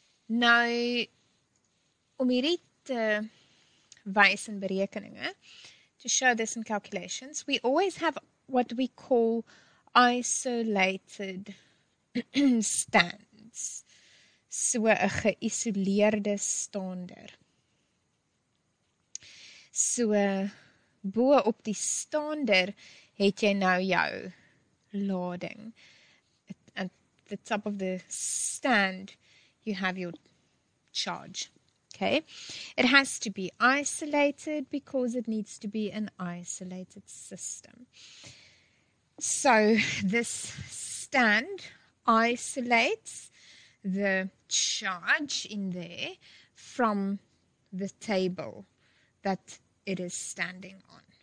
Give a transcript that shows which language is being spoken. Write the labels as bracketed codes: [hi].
[af] Nou, om hierdie te wys in berekeninge, [en] to show this in calculations, we always have what we call isolated stands. [af] So, 'n geïsoleerde stander. So, bo op die stander het jy nou jou lading. [en] At the top of the stand, you have your charge. Okay? It has to be isolated because it needs to be an isolated system. So, this stand isolates the charge in there from the table that it is standing on.